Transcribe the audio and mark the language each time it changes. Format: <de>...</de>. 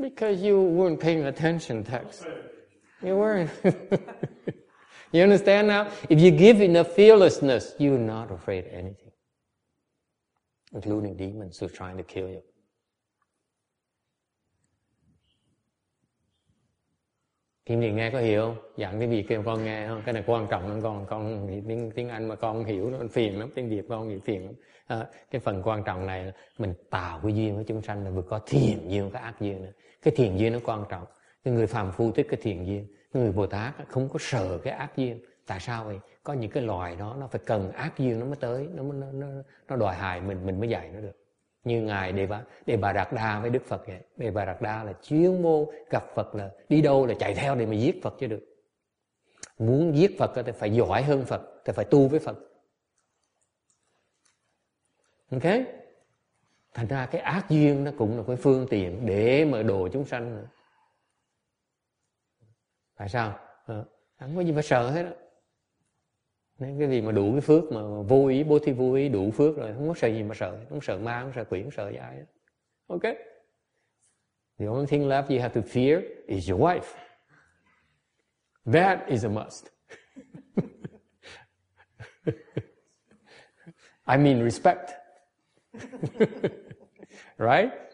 <en>Because you weren't paying attention, Tex. You weren't. You understand now? If you give enough fearlessness, you're not afraid of anything. Including demons who are trying to kill you.</en> <vi>Khiêm nhường nghe có hiểu không? Giảng tiếng Việt kêu con nghe không? Cái này quan trọng lắm con tiếng Anh mà con hiểu nó phiền lắm, tiếng Việt con bị phiền lắm. À, cái phần quan trọng này là mình tạo cái duyên với chúng sanh là vừa có thiện duyên có ác duyên nữa. Cái thiện duyên nó quan trọng. Cái người phàm phu thích cái thiện duyên, người Bồ Tát không có sợ cái ác duyên. Tại sao vậy? Có những cái loài đó nó phải cần ác duyên nó mới tới, nó đòi hại mình mới dạy nó được. Như ngài Đề Bà Đạt Đa với Đức Phật vậy. Đề Bà Đạt Đa là chuyên môn gặp Phật là đi đâu là chạy theo để mà giết Phật cho được. Muốn giết Phật thì phải giỏi hơn Phật, thì phải tu với Phật. Ok? Thành ra cái ác duyên nó cũng là cái phương tiện để mà độ chúng sanh. Tại sao? Không có gì mà sợ hết đó. Nên cái gì mà đủ cái phước mà vô ý, bố thí vô ý, đủ phước rồi, không có sợ gì mà sợ. Không sợ ma, không sợ quỷ, không sợ gì ai hết. Ok?</vi> <en>The only thing left you have to fear is your wife. That is a must. I mean respect. Right?</en>